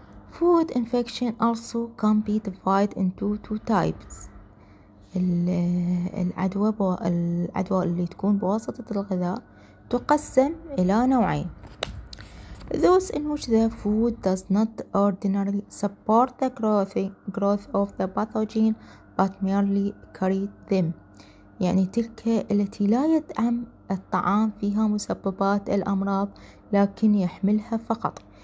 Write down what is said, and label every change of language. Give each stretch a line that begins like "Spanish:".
English: Food infection also can be divided into two types.
Arabic: العدوى اللي تكون بواسطة الغذاء تقسم إلى نوعين.
English: Those in which the food does not ordinarily support the growth of the pathogen but merely carry them.
Arabic: يعني تلك التي لا يدعم الطعام فيها مسببات الأمراض لكن يحملها فقط.